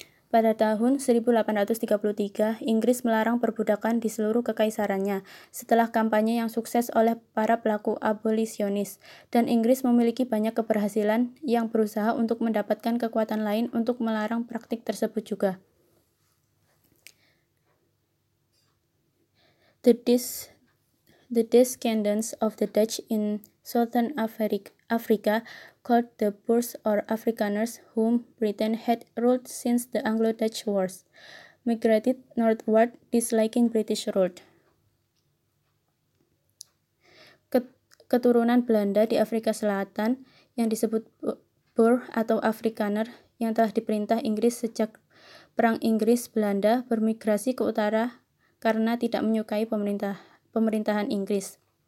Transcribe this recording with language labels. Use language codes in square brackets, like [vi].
[id] Pada tahun 1833, Inggris melarang perbudakan di seluruh kekaisarannya setelah kampanye yang sukses oleh para pelaku abolisionis, dan Inggris memiliki banyak keberhasilan yang berusaha untuk mendapatkan kekuatan lain untuk melarang praktik tersebut juga. [en] The descendants of the Dutch in Southern Africa, called the Boers or Afrikaners, whom Britain had ruled since the Anglo-Dutch Wars, migrated northward, disliking British rule. [id] Keturunan Belanda di Afrika Selatan, yang disebut Boer atau Afrikaner, yang telah diperintah Inggris sejak Perang Inggris-Belanda, bermigrasi ke utara karena tidak menyukai pemerintahan Inggris.